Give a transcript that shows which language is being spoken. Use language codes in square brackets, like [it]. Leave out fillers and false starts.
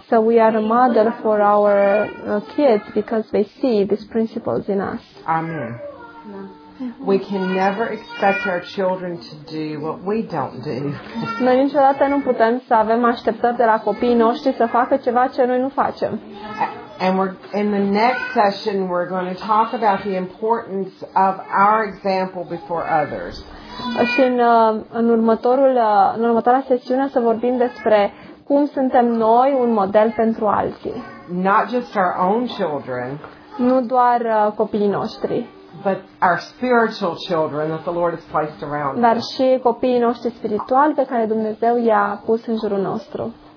[en] So we are a model for our kids because they see these principles in us. Amen. We can never expect our children to do what we don't do. [ro] Noi niciodată nu putem să avem așteptări de la copiii noștri să facă ceva ce noi nu facem. [en] And we're in the next session we're going to talk about the importance of our example before others. [ro] Și în următoarea sesiune să vorbim despre cum suntem noi un model pentru alții. [en] Not just our own children. [ro] Nu doar copiii noștri. [en] But our spiritual children that the Lord has placed around us. [ro] Dar și copiii noștri spirituali pe care Dumnezeu i-a pus în jurul nostru.